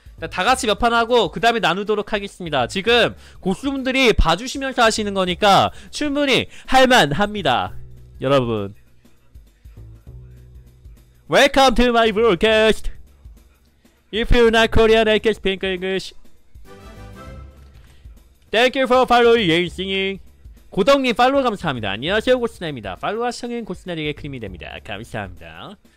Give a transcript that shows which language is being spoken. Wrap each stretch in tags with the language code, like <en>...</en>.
<ko>다같이 몇판 하고 그 다음에 나누도록 하겠습니다. 지금 고수분들이 봐주시면서 하시는 거니까 충분히 할만합니다 여러분.</ko> <en>웰컴 투 마이 브로드캐스트. If you're not Korean, I can speak English. Thank you for following and singing.</en> <ko>고덕님 팔로우 감사합니다. 안녕하세요 고스나리입니다. 팔로우와 시청인 고스나리에게 크림이 됩니다. 감사합니다.</ko>